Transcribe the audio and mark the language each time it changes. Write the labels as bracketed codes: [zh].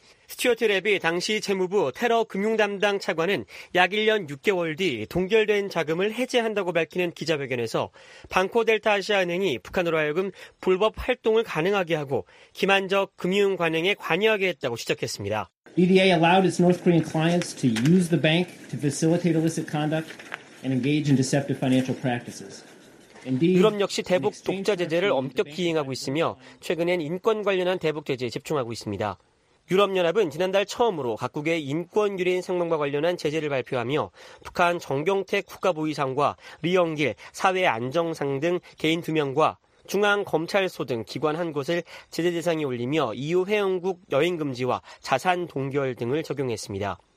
[ko] 스튜어트 랩이 당시 재무부 테러 금융 담당 차관은 약 1년 6개월 뒤 동결된 자금을 해제한다고 밝히는 기자회견에서 방코델타 아시아은행이 북한으로 하여금 불법 활동을 가능하게 하고 기만적 금융 관행에 관여하게 했다고 지적했습니다. [en] EDA allowed its North Korean clients to use the bank to facilitate illicit conduct and engage in deceptive financial practices. [ko] 유럽 역시 대북 독자 제재를 엄격히 이행하고 있으며 최근엔 인권 관련한 대북 제재에 집중하고 있습니다. 유럽연합은 지난달 처음으로 각국의 인권 유린 상황과 관련한 제재를 발표하며 북한 정경택 국가부의장과 리영길 사회안정상 등 개인 두 명과 중앙검찰소 등 기관 한 곳을 제재 대상에 올리며 EU 회원국 여행 금지와 자산 동결 등을 적용했습니다.